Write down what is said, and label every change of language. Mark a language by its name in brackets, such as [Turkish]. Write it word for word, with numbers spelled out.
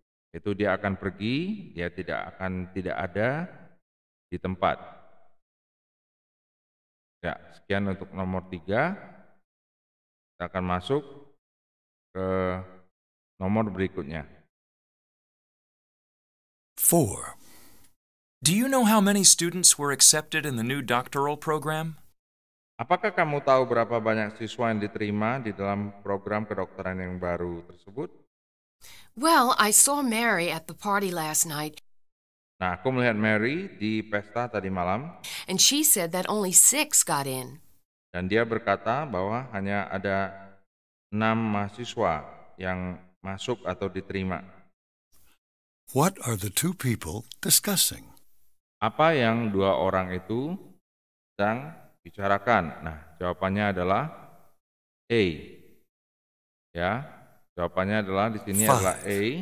[Indonesian] Itu dia akan pergi, dia tidak akan tidak ada di tempat. Ya, sekian untuk nomor tiga. Kita akan masuk ke nomor berikutnya. [English] Four. Do you know how many students were accepted in the new doctoral program? [Indonesian] Apakah kamu tahu berapa banyak siswa yang diterima di dalam program kedokteran yang baru tersebut? [English] Well, I saw Mary at the party last night. [Indonesian] Nah, aku melihat Mary di pesta tadi malam. [English] And she said that only six got in. [Indonesian] Dan dia berkata bahwa hanya ada enam mahasiswa yang masuk atau diterima. [English] What are the two people discussing? [Indonesian] Apa yang dua orang itu sedang bicarakan? Nah, jawabannya adalah A. Ya, jawabannya adalah di sini adalah A.